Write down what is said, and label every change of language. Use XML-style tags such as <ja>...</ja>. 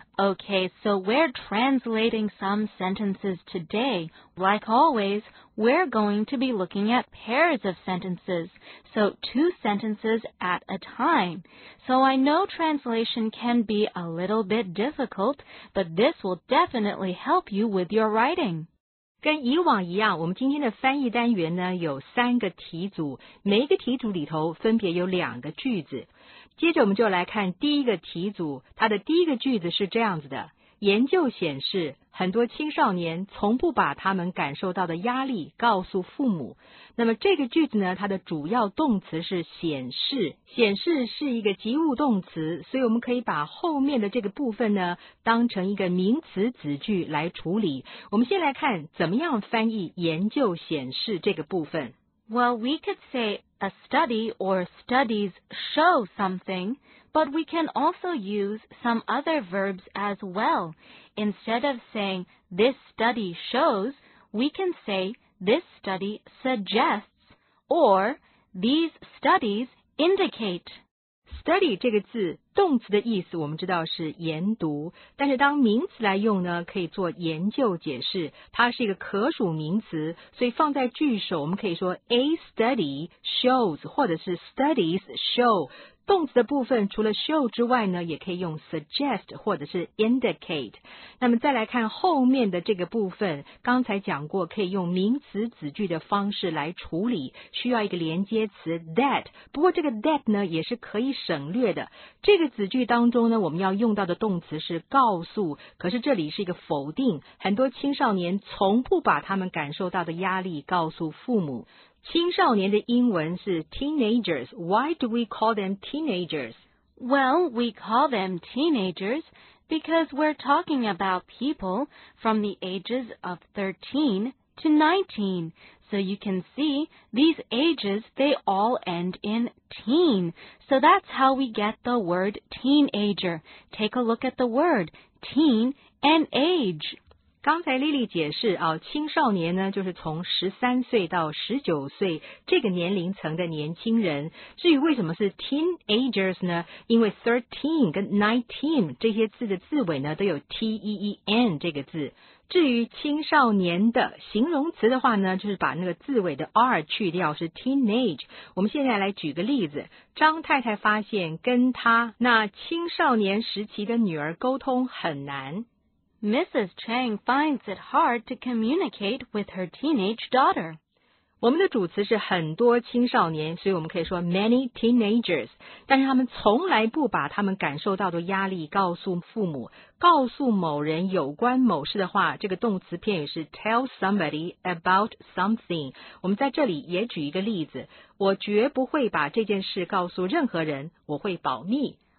<en>Okay, so we're translating some sentences today. Like always, we're going to be looking at pairs of sentences, so two sentences at a time. So I know translation can be a little bit difficult, but this will definitely help you with your writing.</en> <zh>跟以往一样，我们今天的翻译单元呢，有三个题组，每一个题组里头分别有两个句子。接着我们就来看第一个题组，它的第一个句子是这样子的，研究显示，很多青少年从不把他们感受到的压力告诉父母。那么这个句子呢，它的主要动词是显示，显示是一个及物动词，所以我们可以把后面的这个部分呢，当成一个名词子句来处理。我们先来看怎么样翻译研究显示这个部分。</zh> <en>Well, we could say a study or studies show something, but we can also use some other verbs as well. Instead of saying this study shows, we can say this study suggests or these studies indicate.</en> <zh>Study 这个字动词的意思我们知道是研读，但是当名词来用呢，可以做研究解释，它是一个可数名词，所以放在句首我们可以说</zh> <en>a study shows</en> <zh>或者是</zh> <en>studies show。</en> <zh>动词的部分除了 show 之外呢，也可以用 suggest 或者是 indicate。那么再来看后面的这个部分，刚才讲过可以用名词子句的方式来处理，需要一个连接词 that， 不过这个 that 呢也是可以省略的。这个子句当中呢，我们要用到的动词是告诉，可是这里是一个否定，很多青少年从不把他们感受到的压力告诉父母。青少年的英文是 teenagers，</zh> <en>why do we call them teenagers？ Well, we call them teenagers because we're talking about people from the ages of 13 to 19. So you can see these ages, they all end in teen. So that's how we get the word teenager. Take a look at the word teen and age.</en> <zh>刚才 Lily 解释啊，青少年呢就是从13岁到19岁这个年龄层的年轻人。至于为什么是 teenagers 呢？因为13跟19这些字的字尾呢都有 teen 这个字。至于青少年的形容词的话呢，就是把那个字尾的 r 去掉，是 teenage。我们现在来举个例子，张太太发现跟她那青少年时期的女儿沟通很难。</zh> <en>Mrs. Chang finds it hard to communicate with her teenage daughter。</en> <zh>我们的主词是很多青少年，所以我们可以说</zh> <en>many teenagers，</en> <zh>但是他们从来不把他们感受到的压力告诉父母。告诉某人有关某事的话，这个动词片语是</zh> <en>tell somebody about something。</en> <zh>我们在这里也举一个例子，我绝不会把这件事告诉任何人，我会保密。</zh>